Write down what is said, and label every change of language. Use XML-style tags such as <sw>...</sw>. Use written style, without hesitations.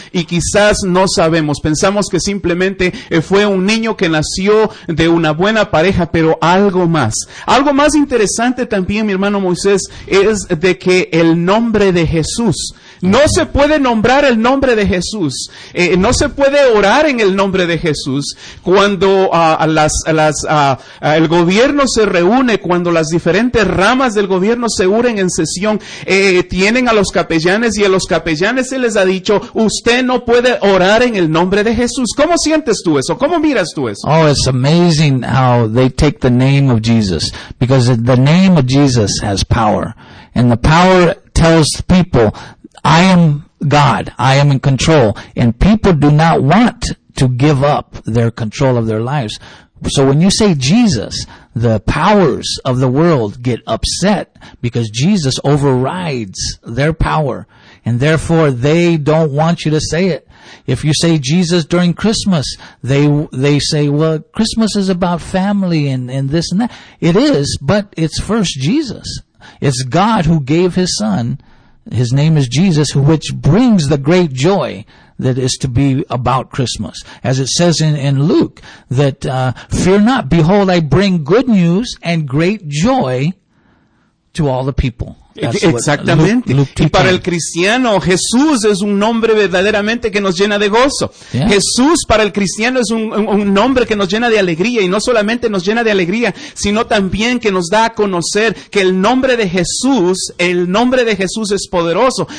<es>Y quizás no sabemos, pensamos que simplemente fue un niño que nació de una buena pareja, pero algo más interesante también, mi hermano Moisés, es de que el nombre de Jesús, no se puede nombrar el nombre de Jesús, no se puede orar en el nombre de Jesús. Cuando el gobierno se reúne, cuando las diferentes ramas del gobierno se unen en sesión, tienen a los capellanes, y a los capellanes se les ha dicho, usted no puede orar en el nombre de Jesús. ¿Cómo sientes tú eso? ¿Cómo miras tú eso?</es> <en>Oh, it's amazing how they take the name of Jesus, because the name of Jesus has power, and the power tells people, I am God, I am in control, and people do not want to give up their control of their lives. So when you say Jesus, the powers of the world get upset because Jesus overrides their power, and therefore they don't want you to say it. If you say Jesus during Christmas, they say, well, Christmas is about family and this and that. It is, but it's first Jesus. It's God who gave his son. His name is Jesus, which brings the great joy that is to be about Christmas. As it says in Luke, that fear not, behold, I bring good news and great joy to all the people.</en> <es>Exactamente. Y para el cristiano, Jesús es un nombre verdaderamente que nos llena de gozo.</es> <en>Yeah.</en> <es>Jesús para el cristiano es un nombre que nos llena de alegría, y no solamente nos llena de alegría, sino también que nos da a conocer que el nombre de Jesús es poderoso.</es>